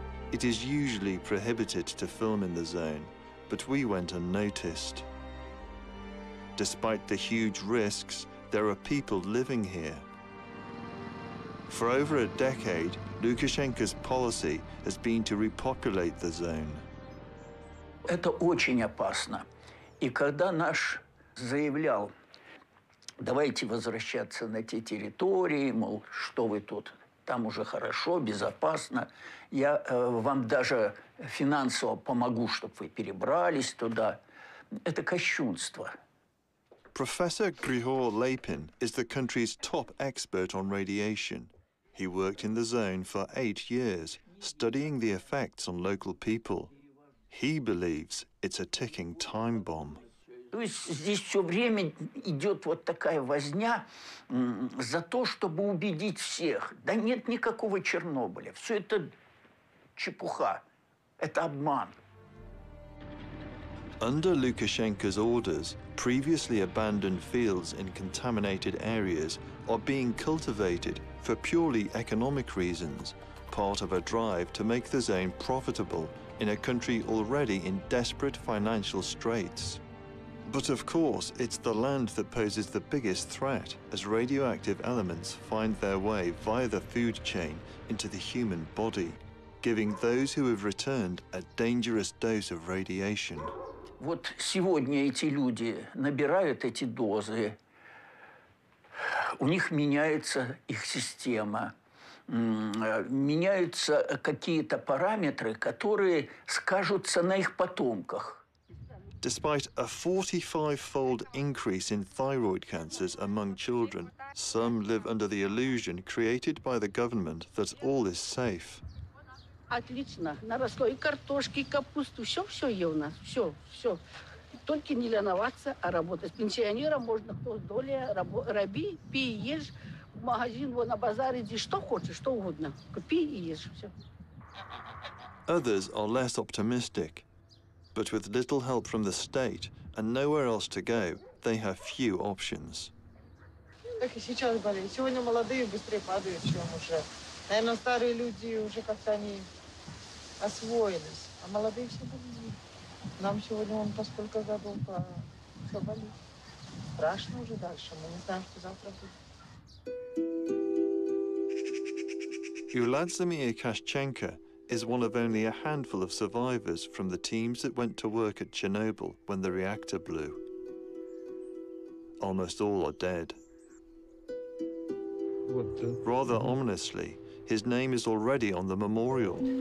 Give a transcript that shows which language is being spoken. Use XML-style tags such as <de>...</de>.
<en>It is usually prohibited to film in the zone, but we went unnoticed. Despite the huge risks, there are people living here. For over a decade, Lukashenko's policy has been to repopulate the zone.</en> <ru>Это очень опасно. И когда наш заявлял, давайте возвращаться на те территории, мол, что вы тут, там уже хорошо, безопасно, я вам даже финансово помогу, чтобы вы перебрались туда. Это кощунство.</ru> <en>Professor Grihor Lapin is the country's top expert on radiation. He worked in the zone for 8 years, studying the effects on local people. He believes it's a ticking time bomb.</en> <ru>То есть здесь все время идет вот такая возня за то, чтобы убедить всех. Да нет никакого Чернобыля. Все это чепуха. Это обман.</ru> <en>Under Lukashenko's orders, previously abandoned fields in contaminated areas are being cultivated for purely economic reasons, part of a drive to make the zone profitable in a country already in desperate financial straits. But of course, it's the land that poses the biggest threat as radioactive elements find their way via the food chain into the human body, giving those who have returned a dangerous dose of radiation.</en> <ru>Вот сегодня эти люди набирают эти дозы, у них меняется их система, меняются какие-то параметры, которые скажутся на их потомках.</ru> <en>Despite a 45-fold increase in thyroid cancers among children, some live under the illusion created by the government that all is safe.</en> <ru>Отлично. Наросло и картошки, и капусты. Все-все ел у нас. Все-все. Только не леноваться, а работать. С пенсионером можно кто доля, раби, пей и ешь. В магазин, вон, на базар иди. Что хочешь, что угодно. Купи и ешь. Все.</ru> <en>Others are less optimistic. But with little help from the state and nowhere else to go, they have few options.</en> <ru>Так и сейчас болеют. Сегодня молодые быстрее падают, чем уже. Наверное, старые люди уже как-то они... освоились, а молодые все болеют. Нам сегодня вон по сколько годов, все болит. Страшно уже дальше, мы не знаем, что завтра будет.</ru> <en>Юладзимир Кашченко is one of only a handful of survivors from the teams that went to work at Chernobyl when the reactor blew. Almost all are dead. Rather ominously, his name is already on the memorial.</en>